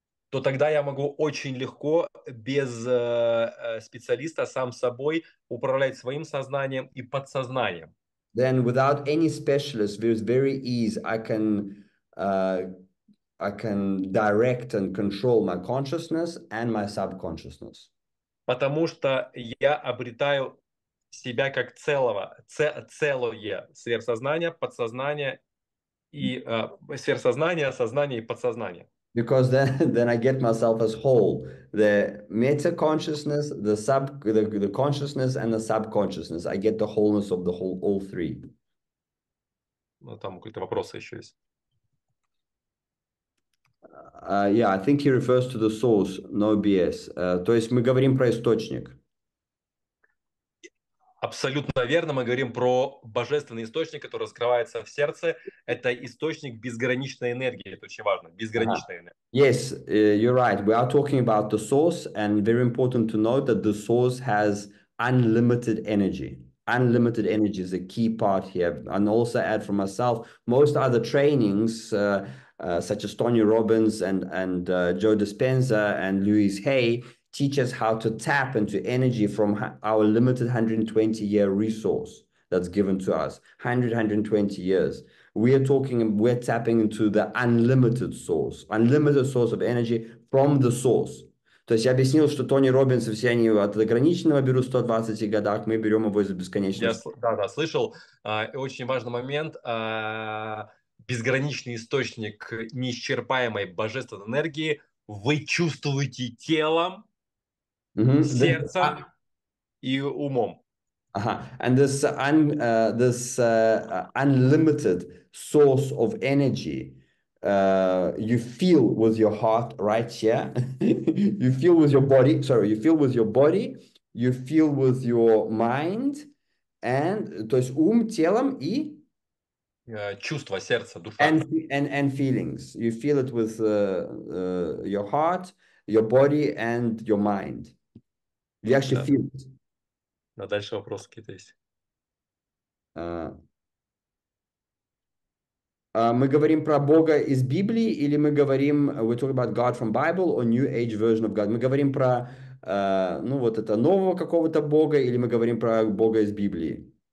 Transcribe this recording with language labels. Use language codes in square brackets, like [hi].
[ru] То тогда я могу очень легко без специалиста сам собой управлять своим сознанием и подсознанием. [en] then without any specialist, there's very ease I can direct and control my consciousness and my subconsciousness. [ru] Потому что я обретаю себя как целое сверхсознание, подсознание и сверхсознание, сознание и подсознание. [en] Because then I get myself as whole. The meta consciousness, the consciousness, and the subconsciousness. I get the wholeness of the whole, all three. [ru] Ну, там какие-то вопросы еще есть. [en] Yeah, I think he refers to the source, no BS. [ru] То есть мы говорим про источник. Абсолютно верно, мы говорим про божественный источник, который раскрывается в сердце. Это источник безграничной энергии, это очень важно, безграничная энергия. [en] Yes, you're right. We are talking about the source, and very important to note that the source has unlimited energy. Unlimited energy is a key part here. And also add for myself, most other trainings, such as Tony Robbins and Joe Dispenza and Louise Hay, teach us how to tap into energy from our limited 120-year resource that's given to us. 120 years. We're tapping into the unlimited source of energy from the source. [ru] То есть я объяснил, что Тони Робинс, все они от ограниченного берут 120 годах, мы берем его из Я бесконечности. да, слышал. Очень важный момент. Безграничный источник неисчерпаемой божественной энергии. Вы чувствуете телом, сердцем и умом. [en] And this unlimited source of energy you feel with your heart right here. You feel with your body, sorry, you feel with your body, you feel with your mind, and [ru] то есть телом и Чувство, сердце, душа. [en] and feelings. You feel it with your heart, your body, and your mind. You actually [ru] Да. [en] feel it. [ru] Но дальше вопросы какие-то есть. Мы говорим про Бога из Библии, или мы говорим, [en] we talk about God from Bible or New Age version of God? [ru] Мы говорим про, ну вот это нового какого-то Бога, или мы говорим про Бога из Библии?